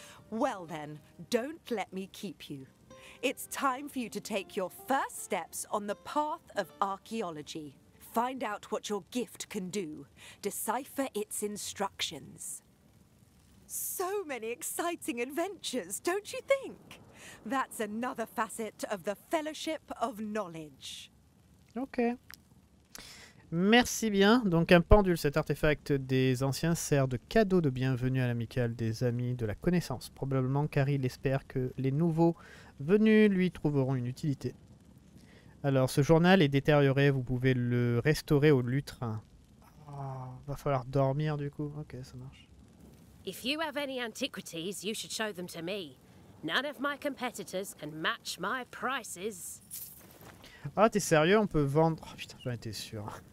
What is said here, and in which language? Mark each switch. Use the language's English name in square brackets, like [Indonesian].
[English] Well then, don't let me keep you. It's time for you to take your first steps on the path of archaeology. Find out what your gift can do. Decipher its instructions. So many exciting adventures, don't you think? That's another facet of the Fellowship of Knowledge. [French] Okay. Merci bien. Donc un pendule, cet artefact des anciens, sert de cadeau de bienvenue à l'amicale des amis de la connaissance. Probablement car il espère que les nouveaux venus lui trouveront une utilité. Alors ce journal est détérioré, vous pouvez le restaurer au lutrin. Oh, va falloir dormir du coup. Ok, ça marche. [English] If you have any antiquities, you should show them to me. None of my competitors can match my prices. [French] Ah, t'es sérieux, on peut vendre... Oh, putain, j'en étais sûr.